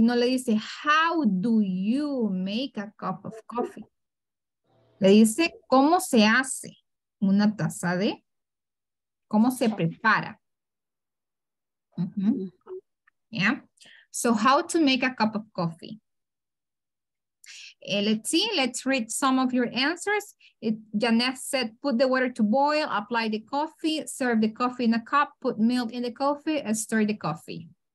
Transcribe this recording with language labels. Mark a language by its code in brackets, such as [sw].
[es] No le dice [en] how do you make a cup of coffee. [es] Le dice cómo se hace una taza de ¿cómo se prepara? [en] Uh-huh. Yeah. So, how to make a cup of coffee. Let's see. Let's read some of your answers. Janet said, put the water to boil, apply the coffee, serve the coffee in a cup, put milk in the coffee, and stir the coffee.